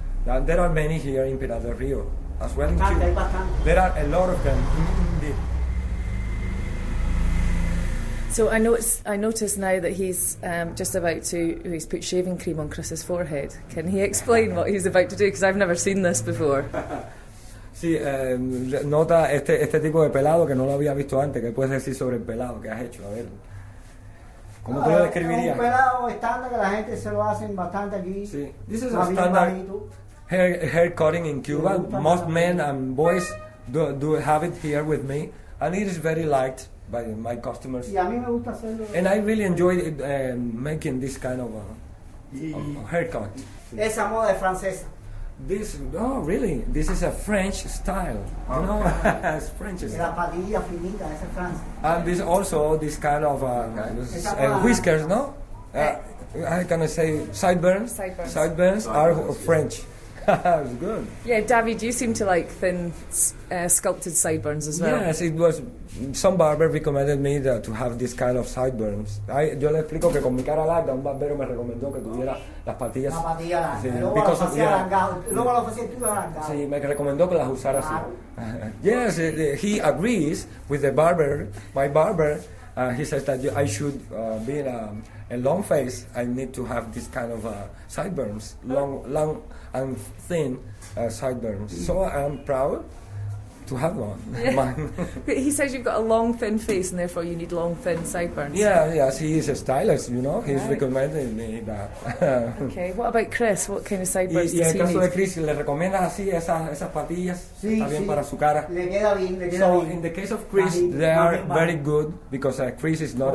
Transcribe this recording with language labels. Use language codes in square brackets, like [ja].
[en] And there are many here in Pinar del Río, as well. There are a lot of them, indeed. So I notice now that he's just about to, he's put shaving cream on Chris's forehead. Can he explain what he's about to do? Because I've never seen this before. [es] Sí, nota este tipo de pelado que no lo había visto antes. ¿Qué puedes decir sobre el pelado que has hecho? A ver, ¿cómo tú lo describirías? Es un pelado estándar que la gente se lo hacen bastante aquí. Sí, [en] this is a standard hair cutting in Cuba. Most men and boys do have it here with me, and it is very liked by my customers. [es] Y a mí me gusta hacerlo. [en] And I really enjoy making this kind of haircut. [es] Esa moda es francesa. [en] This is a French style, you know, it's French style. [es] La patilla finita, esa es Francia. [en] And this also, this kind of whiskers, no? How can I say, sideburns are French. It's good. Yeah, David, you seem to like thin sculpted sideburns as well. Yes, it was, some barber recommended me to have this kind of sideburns. [es] Yo le explico que con mi cara larga, un barbero me recomendó que tuviera las patillas. La patilla larga, sí, luego lo ofrecía arrancado. Sí, me recomendó que las usara así. [en] Yes, he agrees with the barber, my barber. He says that I should be in a long face. I need to have this kind of sideburns, long and thin sideburns. So I'm proud to have one. Yeah. He says you've got a long, thin face, and therefore you need long, thin sideburns. Yes, he is a stylist, you know. He's recommending me that. Okay, what about Chris? What kind of sideburns does he need? [es] Y en caso de Chris, le recomienda así esas patillas, sí, está bien, sí, para su cara. Le queda bien, le queda [en] so [es] bien. [en] In the case of Chris, they are very good, because Chris is not